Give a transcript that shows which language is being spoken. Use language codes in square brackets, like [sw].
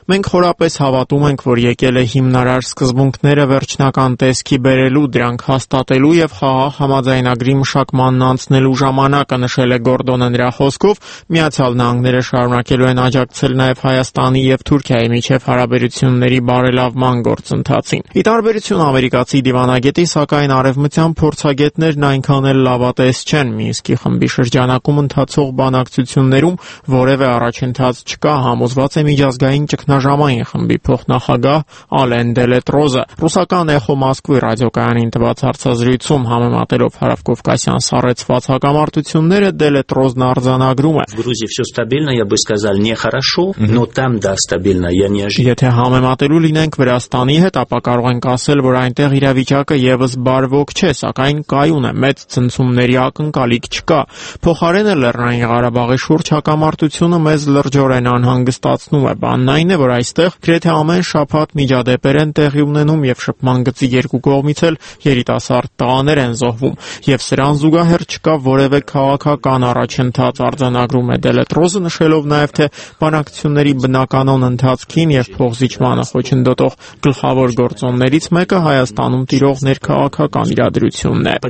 [hy] «Մենք խորապես հավատում ենք, որ եկել է հիմնարար սկզբունքները վերջնական տեսքի բերելու, դրանք հաստատելու և խաղաղ համաձայնագրի մշակմանն անցնելու ժամանակը», նշել է Գորդոնը նրա խոսքով։ Միացյալ Նահանգները շարունակելու են աջակցել նաև Հայաստանի և Թուրքիայի միջև հարաբերությունների բարելավման գործընթացին։ Ի տարբերություն ամերիկացի դիվանագետի, սակայն արևմտյան փորձագետներն այնքան էլ լավատես չեն, Մինսկի խմբի շրջանակում ընթացող բանակցություններում որևէ առաջընթաց չկա, համոզված է միջազգային ճգնաժամային խմբի փոխնախագահ Ալեն Դելետրոզը։ Ռուսական Էխո Մոսկվայի ռադիոկայանին տված հարցազրույցում համեմատելով Հարավկովկասյան սառեցված հակամարտությունները, Դելետրոզն արձանագրում է, [ru] В Грузии всё стабильно, я бы сказал, нехорошо, но там да стабильно, я не ожидаю. [hy] Եթե համեմատելու լինենք Վրաստանի հետ, ապա կարող ենք ասել, որ այնտեղ իրավիճակը եւս բարվոք չէ, սակայն կայուն է, մեծ ցնցումների ակնկալիք չկա։ Փոխարենը Լեռնային Ղարաբաղի շուրջ հակամարտությունը մեզ լրջորեն անհանգստացնում է, բանն այն է, որ այստեղ գրեթե ամեն շաբաթ միջադեպեր են տեղի ունենում եւ շփման գծի երկու կողմից էլ երիտասարդ տղաներ են զոհվում եւ սրան զուգահեռ չկա որևէ քաղաքական առաջընթաց, արձանագրում է Դելետրոզը, նշելով նաեւ թե բանակցությունների բնականոն ընթացքին եւ փողզիջմանը խոչընդոտող գլխավոր գործոններից մեկը Հայաստանում տիրող ներքաղաքական իրադրությունն է։